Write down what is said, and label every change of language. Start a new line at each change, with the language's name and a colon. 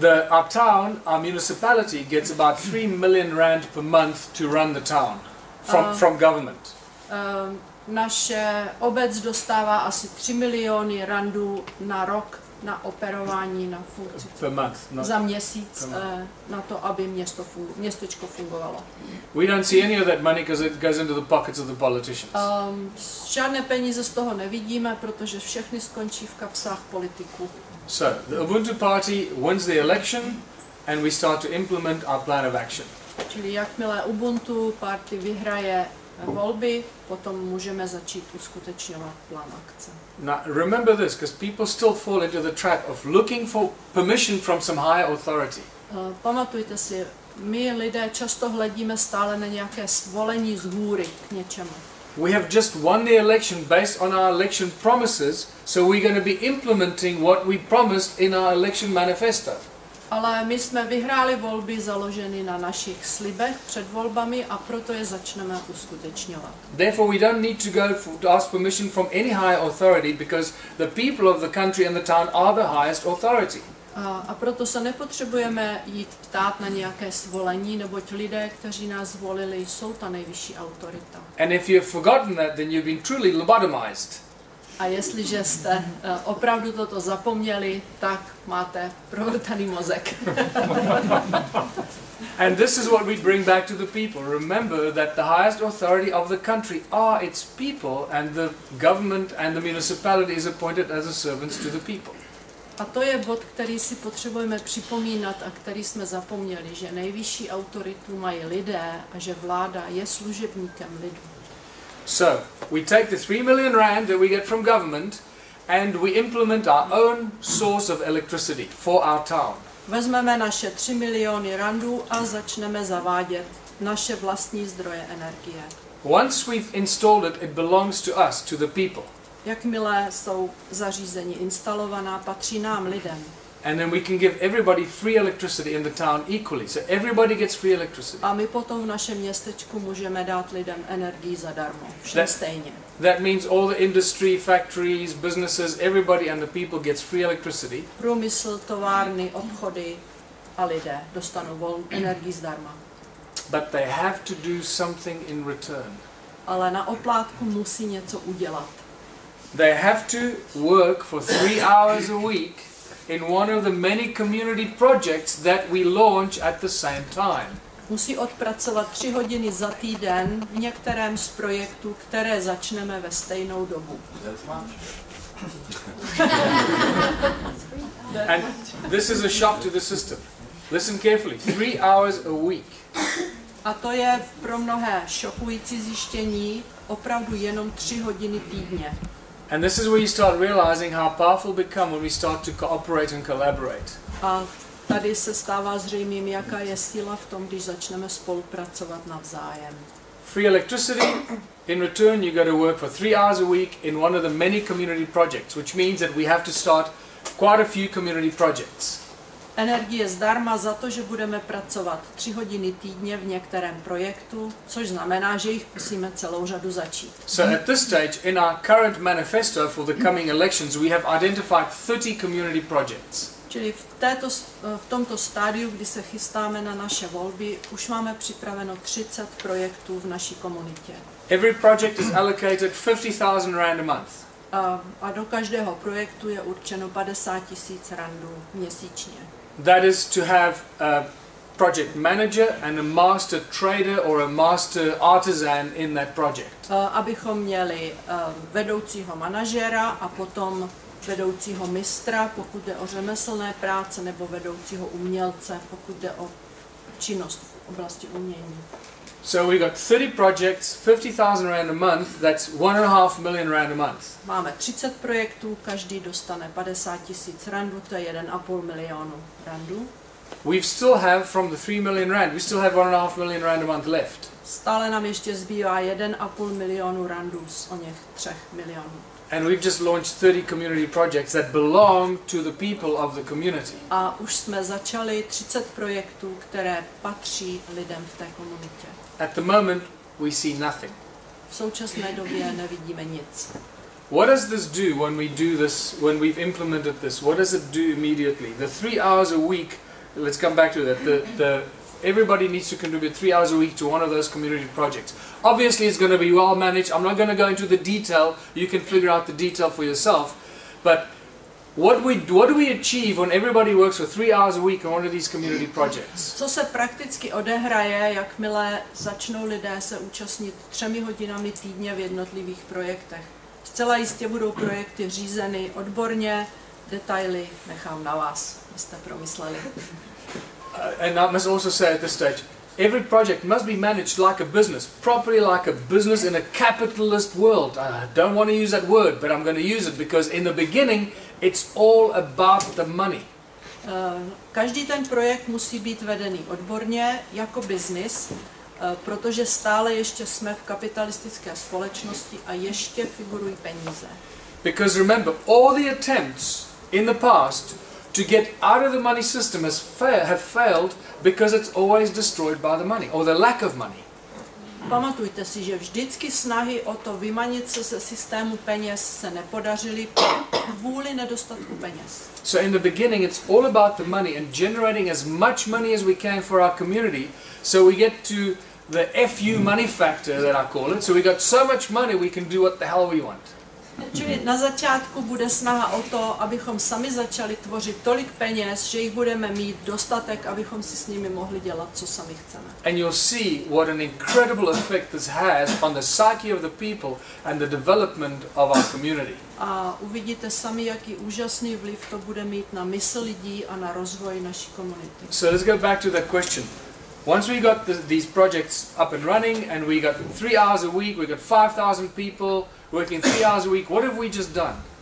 English: Our town, our municipality gets about 3 million rand per month to run the town from government.
Czech: Naše obec dostává asi 3 miliony randů na rok na operování, na funkci, za měsíc na to, aby městečko fungovalo.
English: We don't see any of that money because it goes into the pockets of the politicians.
Czech: Žádné peníze z toho nevidíme, protože všechny skončí v kapsách politiků.
English: So, the Ubuntu Party wins the election and we start to implement our plan of action.
Czech: Čili jakmile Ubuntu Party vyhraje volby, potom můžeme začít uskutečňovat plán akce.
English: Now remember this, because people still fall into the trap of looking for permission from some higher authority.
Czech: Pamatujte si, my lidé často hledíme stále na nějaké svolení z hůry k něčemu.
English: We have just won the election based on our election promises, so we're going to be implementing what we promised in our election manifesto.
Czech: Ale my jsme vyhráli volby založeny na našich slibech před volbami a proto je začneme uskutečňovat.
English: Therefore we don't need to go to ask permission from any higher authority because the people of the country and the town are the highest authority.
Czech: A proto se nepotřebujeme jít ptát na nějaké svolení, neboť lidé, kteří nás zvolili, jsou ta nejvyšší autorita.
English: And if you've forgotten that, then you've been truly lobotomized.
Czech: A jestliže jste opravdu toto zapomněli, tak máte provrtaný mozek.
English: And this is what we bring back to the people. Remember that the highest authority of the country are its people and the government and the municipality is appointed as a servant to the people.
Czech: A to je bod, který si potřebujeme připomínat a který jsme zapomněli, že nejvyšší autoritu mají lidé a že vláda je služebníkem lidu.
English: So, we take the 3 million rand that we get from government and we implement our own source of electricity for our town.
Czech: Vezmeme naše 3 miliony randů a začneme zavádět naše vlastní zdroje energie.
English: Once we've installed it, it belongs to us, to the people.
Czech: Jakmile jsou zařízení instalovaná, patří nám lidem.
English: And then we can give everybody free electricity in the town equally. So everybody gets free electricity.
Czech: A my potom v našem městečku můžeme dát lidem energii zadarmo, všem stejně.
English: That means all the industry, factories, businesses, everybody and the people gets free electricity.
Czech: Průmysl, továrny, obchody a lidé dostanou energii zdarma.
English: But they have to do something in return.
Czech: Ale na oplátku musí něco udělat.
English: They have to work for 3 hours a week in one of the many community projects that we launch at the same time.
Czech: Musí odpracovat 3 hodiny za týden v některém z projektů, které začneme ve stejnou dobu.
English: And this is a shock to the system. Listen carefully. 3 hours a week.
Czech: A to je pro mnohé šokující zjištění, opravdu jenom 3 hodiny týdně.
English: And this is where you start realizing how powerful become when we start to cooperate and collaborate.
Czech: A tady se stává zřejmým, jaká je síla v tom, když začneme spolupracovat navzájem.
English: Free electricity, in return you got to work for 3 hours a week in one of the many community projects, which means that we have to start quite a few community projects.
Czech: Energie zdarma za to, že budeme pracovat 3 hodiny týdně v některém projektu, což znamená, že jich musíme celou řadu začít.
English: So at this stage in our current manifesto for the coming elections, we have identified 30 community projects.
Czech: Čili v tomto stádiu, kdy se chystáme na naše volby, už máme připraveno 30 projektů v naší komunitě.
English: Every project is allocated 50,000 rand a month.
Czech: A do každého projektu je určeno 50,000 randů měsíčně.
English: That is to have project manager and a master trader or a master artisan in that project.
Czech: Abychom měli vedoucího manažera a potom vedoucího mistra, pokud jde o řemeslné práce, nebo vedoucího umělce, pokud jde o činnost v oblasti umění.
English: So we got 30 projects, 50,000 rand a month, that's 1.5 million rand a month.
Czech: Máme 30 projektů, každý dostane 50,000 randu, to je 1.5 milionu randu.
English: We still have from the 3 million rand, we still have 1.5 million rand a month left.
Czech: Stále nám ještě zbývá 1.5 milionu randu z oněch 3 milionů.
English: And we've just launched 30 community projects that belong to the people of the community.
Czech: A už jsme začali 30 projektů, které patří lidem v té komunitě.
English: At the moment, we see nothing.
Czech: V současné době nevidíme nic.
English: What does this do when we do this, when we've implemented this? What does it do immediately? The 3 hours a week, let's come back to that. Everybody needs to contribute 3 hours a week to one of those community projects. Obviously, it's going to be well managed. I'm not going to go into the detail. You can figure out the detail for yourself. But what do we achieve when everybody works for 3 hours a week on one of these community projects?
Czech: Co se prakticky odehraje, jakmile začnou lidé se účastnit 3 hodinami týdně v jednotlivých projektech? Zcela jistě budou projekty řízeny odborně. Detaily nechám na vás, jste promysleli.
English: And I must also say at this stage, every project must be managed like a business, properly like a business in a capitalist world. I don't want to use that word, but I'm going to use it because in the beginning, it's all about the money.
Czech: Každý ten projekt musí být vedený odborně jako business, protože stále ještě jsme v kapitalistické společnosti a ještě figurují peníze.
English: Because remember, all the attempts in the past to get out of the money system have failed because it's always destroyed by the money or the lack of money.
Czech: Pamatujte si, že vždycky snahy o to vymanit se ze systému peněz se nepodařily kvůli nedostatku peněz.
English: So in the beginning it's all about the money and generating as much money as we can for our community, so we get to the FU money factor that I call it, so we got so much money we can do what the hell we want.
Czech: Čili na začátku bude snaha o to, abychom sami začali tvořit tolik peněz, že jich budeme mít dostatek, abychom si s nimi mohli dělat, co sami chceme.
English: And you'll see what an incredible effect this has on the psyche of the people and the development of our community.
Czech: A uvidíte sami, jaký úžasný vliv to bude mít na mysl lidí a na rozvoj naší komunity.
English: So let's go back to that question. Once we got these projects up and running and we got 3 hours a week, we got 5,000 people working 3 hours a week, what have we just done?